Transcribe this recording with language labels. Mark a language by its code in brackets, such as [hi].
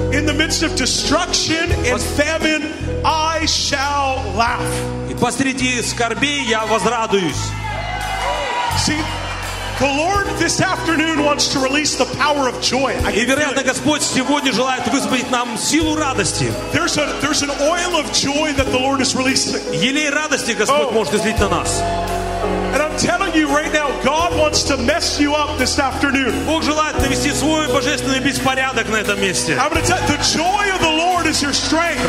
[en] In the midst of destruction and famine, I shall laugh. [ru] И посреди скорби я возрадуюсь. [en] See, the Lord this afternoon wants to release the power of joy. [ru] И вероятно, Господь сегодня желает высвободить нам силу радости. [en] There's an oil of joy that the Lord is releasing. [ru] Елей радости Господь может излить на нас. [en] And I'm telling you right now, God wants to mess you up this afternoon. [ru] Бог желает навести свой божественный беспорядок на этом месте. [en] I'm going to tell you, the joy of the Lord is your strength.